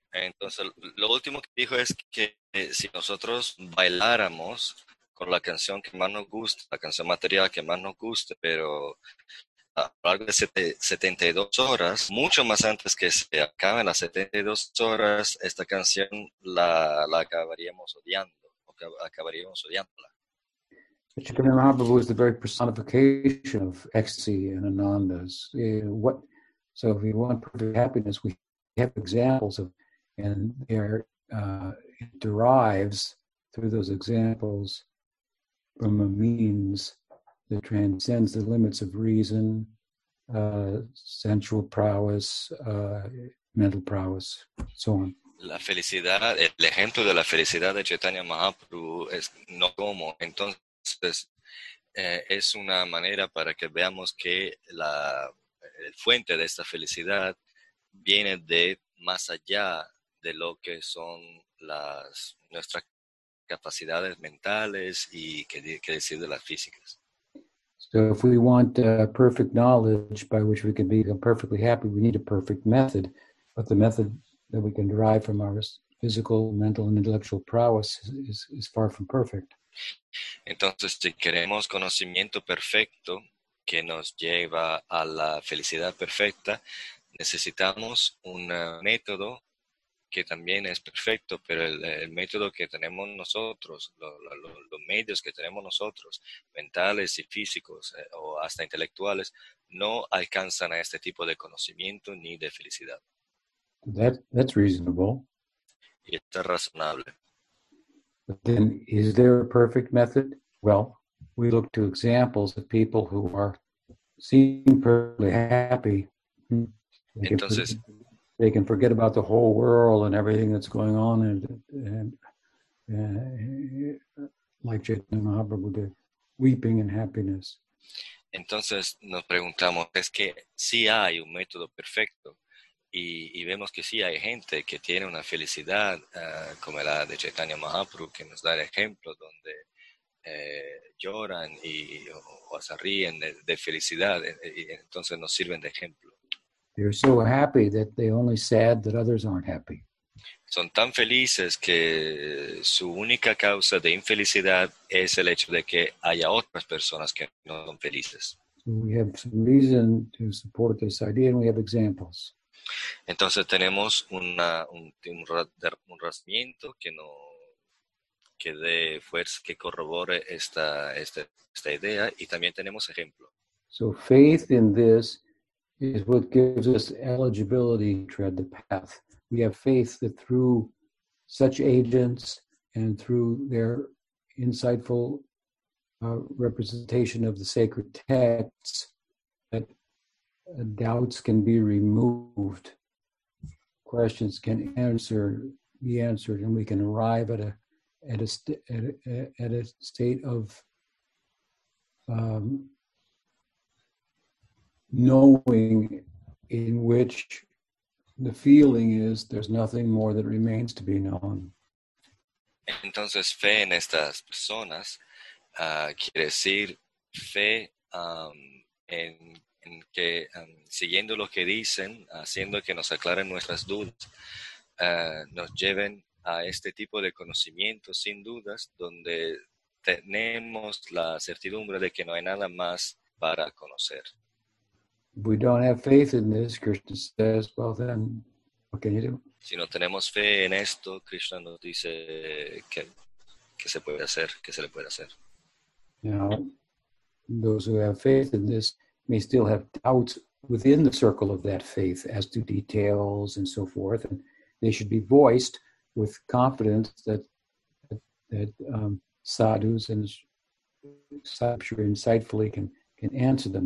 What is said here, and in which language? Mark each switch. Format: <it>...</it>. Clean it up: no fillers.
<es>Entonces, lo último que dijo es que si nosotros bailáramos con la canción que más nos gusta, la canción material que más nos guste, pero... a lo largo de 72 horas, mucho más antes que se acaben las 72 horas, esta canción la acabaríamos odiando, acabaríamos odiándola.</es> <en>Chaitanya Mahaprabhu is the very personification of ecstasy and anandas. So if we want perfect happiness, we have examples of, and there it derives through those examples from a means that transcends the limits of reason, sensual prowess, mental prowess, so on.</en> <es>la felicidad, el ejemplo de la felicidad de Chaitanya Mahaprabhu es no como. Entonces, es una manera para que veamos que la fuente de esta felicidad viene de más allá de lo que son las nuestras capacidades mentales y que decir de las físicas.</es> <en>So if we want perfect knowledge by which we can be perfectly happy, we need a perfect method. But the method that we can derive from our physical, mental, and intellectual prowess is far from perfect.</en> <es>Entonces, si queremos conocimiento perfecto que nos lleva a la felicidad perfecta, necesitamos un método que también es perfecto, pero el método que tenemos nosotros, los medios que tenemos nosotros, mentales y físicos, o hasta intelectuales, no alcanzan a este tipo de conocimiento ni de felicidad.</es> <en>That's reasonable.</en> <es>Y está razonable.</es> <en>But then, is there a perfect method? Well, we look to examples of people who are seem perfectly happy.</en> <es>Entonces,</es> <en>they can forget about the whole world and everything that's going on, and like Chaitanya Mahaprabhu did, weeping in happiness.</en> <es>Entonces, nos preguntamos, es que sí hay un método perfecto, y vemos que sí hay gente que tiene una felicidad como la de Chaitanya Mahaprabhu, que nos da el ejemplo donde lloran o se ríen de felicidad, y entonces nos sirven de ejemplo.</es> <en>They're so happy that they're only sad that others aren't happy.</en> <es>Son tan felices que su única causa de infelicidad es el hecho de que haya otras personas que no son felices.</es> <en>So we have some reason to support this idea, and we have examples.</en> <es>Entonces tenemos un razonamiento que no que dé fuerza, que corrobore esta idea, y también tenemos ejemplo.</es> <en>So faith in this is what gives us eligibility to tread the path. We have faith that through such agents and through their insightful representation of the sacred texts, that doubts can be removed, questions can be answered, and we can arrive at a state of knowing in which the feeling is there's nothing more that remains to be known.</en> <es>Entonces, fe en estas personas quiere decir fe en que siguiendo lo que dicen, haciendo que nos aclaren nuestras dudas, nos lleven a este tipo de conocimiento sin dudas, donde tenemos la certidumbre de que no hay nada más para conocer.</es> <en>If we don't have faith in this, Krishna says, well then, what can you do?</en> <es>Si no tenemos fe en esto, Krishna nos dice que se puede hacer, que se le puede hacer.</es> <en>Now, those who have faith in this may still have doubts within the circle of that faith as to details and so forth, and they should be voiced with confidence that sadhus and sadhus insightfully can answer them.</en>